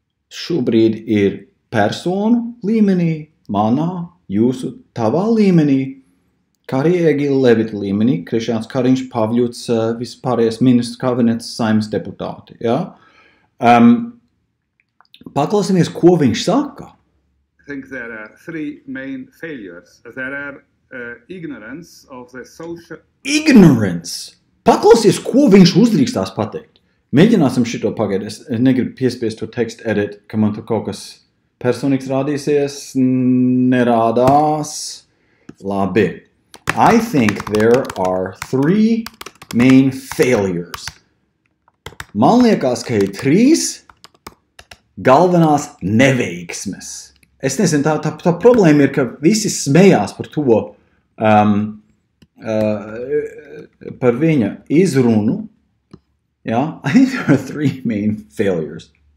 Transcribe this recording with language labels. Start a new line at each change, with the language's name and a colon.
Latvian: Šobrīd ir personu līmenī, manā, jūsu, tavā līmenī. Karjēgi Levita līmenī, Krišāns Kariņš Pavļuts, vispārējais ministrs kabinets, saimes deputāti, ja? Paklausamies, ko viņš saka.
English: I think there are three main failures. There are ignorance of the social... Ignorance!
Latvian: Paklausies, ko viņš uzdrīkstās pateikt. Mēģināsim šito pagaidu. Es negribu piespiest to text edit, ka man tur kaut kas personīgs rādīsies, nerādās. Labi.
English: I think there are three main failures.
Latvian: Man liekas, ka ir trīs galvenās neveiksmes. Es nezinu, tā problēma ir, ka visi smējās par to, par viņa izrunu. Ja?
English: I think there are three main failures.